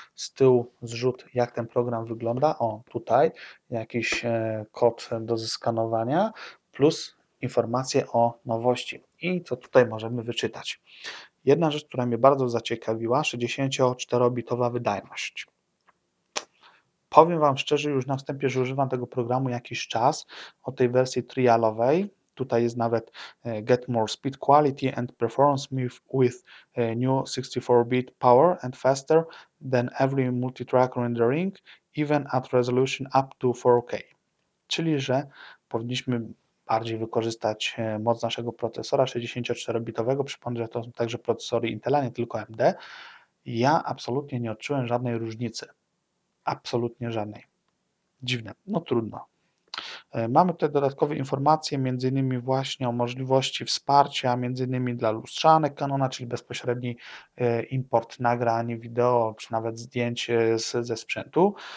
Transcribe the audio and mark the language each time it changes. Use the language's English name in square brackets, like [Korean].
[Polish] Z tyłu zrzut, jak ten program wygląda. O, tutaj jakiś kod do zeskanowania, plus informacje o nowości. I co tutaj możemy wyczytać? Jedna rzecz, która mnie bardzo zaciekawiła, 64-bitowa wydajność. Powiem Wam szczerze, już na wstępie, że używam tego programu jakiś czas, o tej wersji trialowej. Tutaj jest nawet [English] Get more speed, quality and performance with new 64-bit power and faster than every multi-track rendering, even at resolution up to 4K. [Polish] Czyli, że powinniśmy bardziej wykorzystać moc naszego procesora 64-bitowego. Przypomnę, że to są także procesory Intela, nie tylko AMD. Ja absolutnie nie odczułem żadnej różnicy. Absolutnie żadnej. Dziwne. No trudno. Mamy tutaj dodatkowe informacje, między innymi właśnie o możliwości wsparcia, między innymi dla lustrzanek Canona, czyli bezpośredni import nagrań wideo, czy nawet zdjęć ze sprzętu.